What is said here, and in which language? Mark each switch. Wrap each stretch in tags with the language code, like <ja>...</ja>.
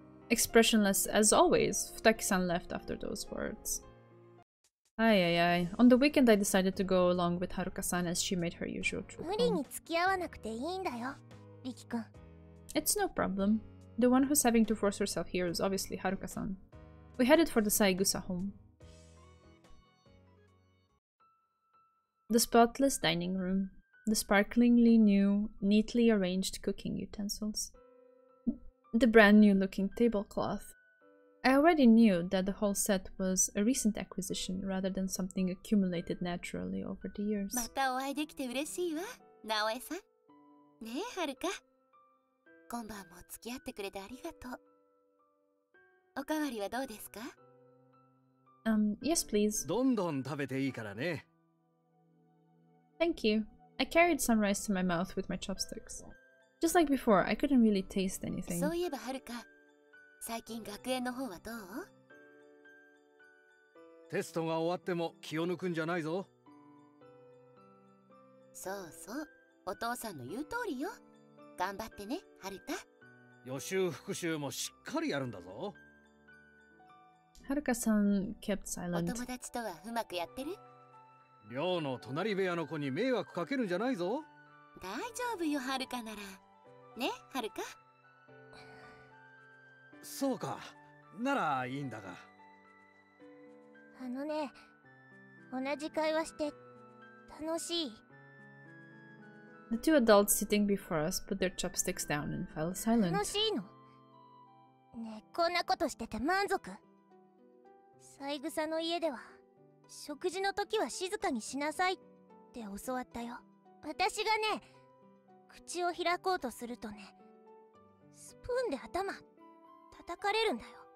<en>Expressionless as always, Futaki-san left after those words. Ay, ay, ay. On the weekend, I decided to go along with Haruka-san as she made her usual trip.</en> <ja>無理に付き合わなくていいんだよ、リキ君。</ja> <en>It's no problem. The one who's having to force herself here is obviously Haruka-san. We headed for the Saigusa home. The spotless dining room. The sparklingly new, neatly arranged cooking utensils. The brand new looking tablecloth. I already knew that the whole set was a recent acquisition rather than something accumulated naturally over the years.</en> <ja>またお会いできて嬉しいわ、ナオエさん。ねえ、ハルカ。今晩も付き合ってくれてありがとう。おかわりはどうですか？</ja> <en>Yes, please.</en> <ja>どんどん食べていいからね。</ja> <en>Thank you. I carried some rice to my mouth with my chopsticks. Just like before, I couldn't really taste anything.</en> <ja>そういえば、はるか、最近学園の方はどう？テストが終わっても気を抜くんじゃないぞ。そうそう、お父さんの言う通りよ。頑張ってね、ハルカ。予習復習もしっかりやるんだぞ。</ja> <en>ハルカさん kept silent。</en> <ja>お友達とはうまくやってる？寮の隣部屋の子に迷惑かけるんじゃないぞ。大丈夫よ、ハルカなら。ね、ハルカ。そうか、ならいいんだが。あのね、同じ会話して楽しい。</ja> <en>The two adults sitting before us put their chopsticks down and fell silent.</en> <ja>楽しいの？ねえ、こんなことしてて満足？三枝の家では、食事の時は静かにしなさいって教わったよ。私がね、口を開こうとするとね、スプーンで頭叩かれるんだよ。</ja>